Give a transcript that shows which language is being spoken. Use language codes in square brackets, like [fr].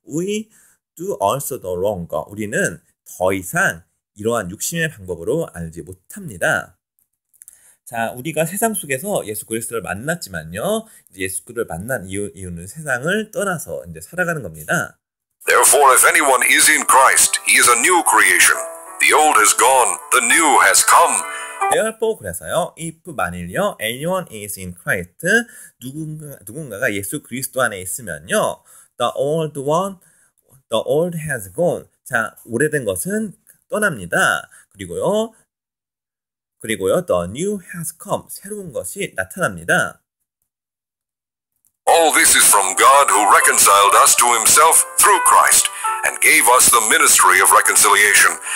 [en] We do also no longer. [ko] 우리는 더 이상 이러한 육신의 방법으로 알지 못합니다. 자, 우리가 세상 속에서 예수 그리스도를 만났지만요. 예수 그리스도를 만난 이유는 세상을 떠나서 이제 살아가는 겁니다. [en] Therefore, if anyone is in Christ, he is a new creation. The old has gone, the new has come. Therefore, [ko] 그래서요. [en] If [ko] 만일요, [en] anyone is in Christ, [ko] 누군가가 예수 그리스도 안에 있으면요. [en] The old has gone. [ko] 자, 오래된 것은 떠납니다. 그리고요, [en] the new has come. [ko] 새로운 것이 나타납니다. [en] All this is from God who reconciled us to himself through Christ and gave us the ministry of reconciliation.